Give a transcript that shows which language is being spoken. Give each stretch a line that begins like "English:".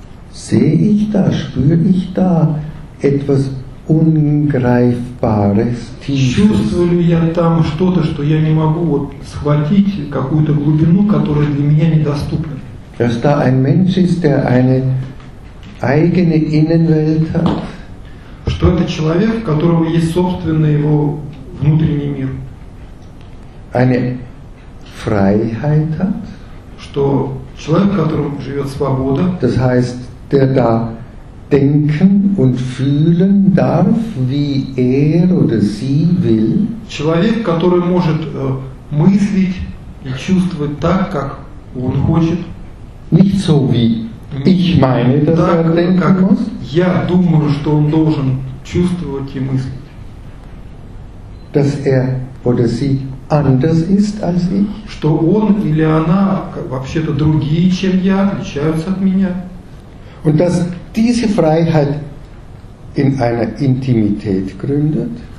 German: sehe ich da, spüre ich da etwas Ungreifbares, Tiefes.
Russian: Чувствую ли я там что-то, что я не могу вот схватить, какую-то глубину, которая для меня недоступна?
German: Dass da ein Mensch ist, der eine eigene Innenwelt hat.
Russian: Что это человек, у которого есть собственный его внутренний мир.
German: Eine Freiheit hat.
Russian: Что человек, в котором живет свобода.
German: Das heißt, der da denken und fühlen darf, wie er oder sie will.
Russian: Человек, который может мыслить и чувствовать так, как он хочет.
German: Nicht so wie ich meine, dass
Russian: так,
German: er denken
Russian: как
German: muss.
Russian: Я думаю, что он должен чувствовать и мыслить.
German: Dass er oder sie anders ist als ich.
Russian: Что он или она вообще-то другие, чем я, отличаются от меня.
German: Und dass diese Freiheit in einer Intimität gründet.